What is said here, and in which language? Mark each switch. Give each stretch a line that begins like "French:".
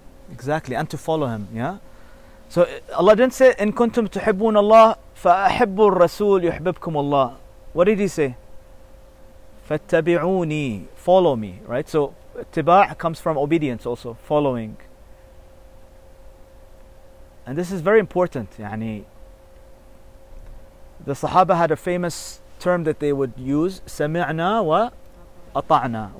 English: Exactly, and to follow him, yeah? So Allah didn't say,
Arabic: إِن كُنْتُمْ تُحِبُّونَ اللَّهِ فَأَحِبُّ الرَّسُولِ يُحْبِبْكُمُ اللَّهِ.
English: What did he say? فَاتَّبِعُونِي, follow me, right? So, اتِّبَاع comes from obedience also, following. And this is very important, يعني. The Sahaba had a famous term that they would use,
Arabic: سَمِعْنَا وَأَطَعْنَا.